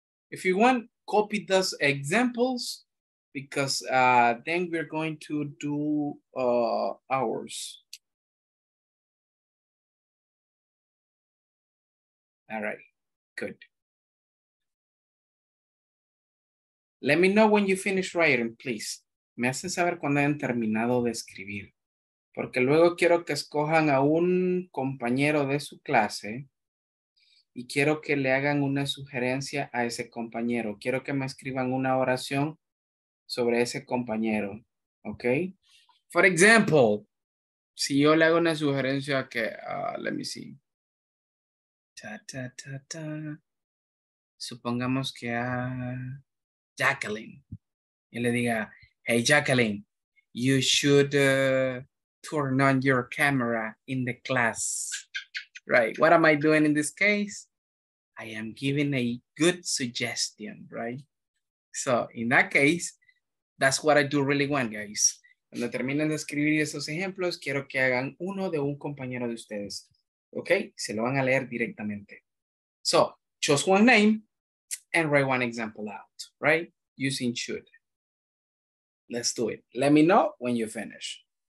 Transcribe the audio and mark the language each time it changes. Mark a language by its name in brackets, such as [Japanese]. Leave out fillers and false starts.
[English] If you want, copy those examples because then we're going to do ours. All right. Good. Let me know when you finish writing, please. [Spanish] Me hacen saber cuando hayan terminado de escribir. Porque luego quiero que escojan a un compañero de su clase y quiero que le hagan una sugerencia a ese compañero. Quiero que me escriban una oración sobre ese compañero. Okay? [English] For example, [Spanish] si yo le hago una sugerencia a que, [English] let me see. [Spanish] Ta, ta, ta, ta. Supongamos que a Jacqueline. Y le diga, [English] hey Jacqueline, you should turn on your camera in the class. Right, what am I doing in this case? I am giving a good suggestion, right? So in that case, that's what I do really want, guys. [Spanish] Cuando terminen de escribir esos ejemplos, quiero que hagan uno de un compañero de ustedes. Okay, se lo van a leer directamente. [English] So, choose one name and write one example out, right? Using should. Let's do it. Let me know when you finish.